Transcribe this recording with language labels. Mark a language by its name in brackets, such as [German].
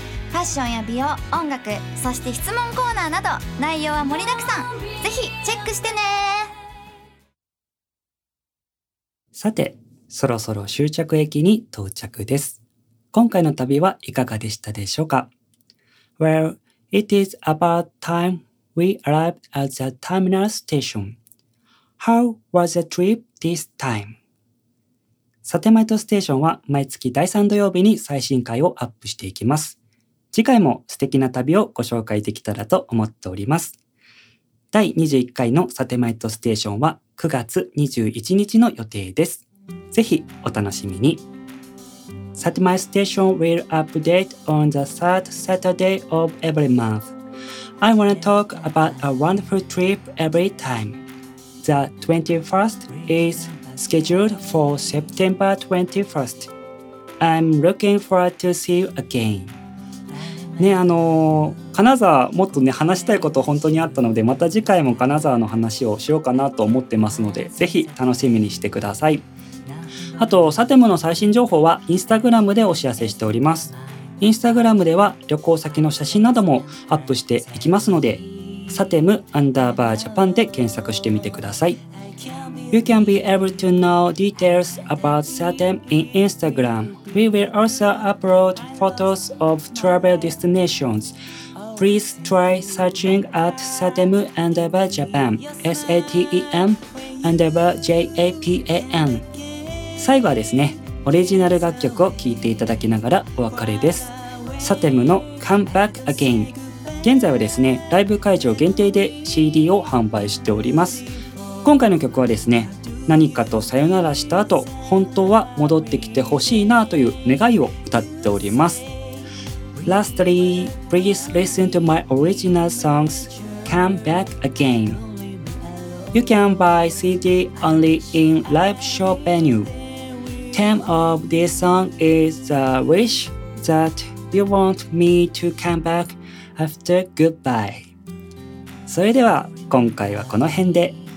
[Japanese] ファッションや美容、音楽、そして質問コーナーなど内容は盛りだくさん。ぜひチェックしてね。さて、そろそろ終着駅に到着です。今回の旅はいかがでしたでしょうか？ [English] Well, it is about time we arrived at the terminal station. How was the trip this time? [Japanese] サテマイトステーションは毎月第3土曜日に最新回をアップしていきます。次回も素敵な旅をご紹介できたらと思っております。第21回のサテマイトステーションは9月21日の予定です。ぜひお楽しみに。 [English] Set My Station will update on the third Saturday of every month. I want to talk about a wonderful trip every time. The 21st is scheduled for September 21st. I'm looking forward to see you again. [Japanese] ね、金沢もっとね話したいこと本当にあったので、また次回も金沢の話をしようかなと思ってますので、ぜひ楽しみにしてください。あと、サテムの最新情報はインスタグラムでお知らせしております。インスタグラムでは旅行先の写真などもアップしていきますので、サテムアンダーバージャパンで検索してみてください。 [English] You can be able to know details about Satem in Instagram. We will also upload photos of travel destinations. Please try searching at Satem アンダーバージャパン。 SATEM アンダーバー JAPAN。 [Japanese] 最後はですね、オリジナル楽曲を聴いていただきながらお別れです。サテムの Come Back Again。現在はですね、ライブ会場限定で CD を販売しております。今回の曲はですね、何かとさよならした後、本当は戻ってきてほしいなという願いを歌っております。 [English] Lastly, please listen to my original songs, Come Back Again. You can buy CD only in live show venue. Theme of this song is the wish that you want me to come back after goodbye. [Japanese] それでは今回はこの辺で。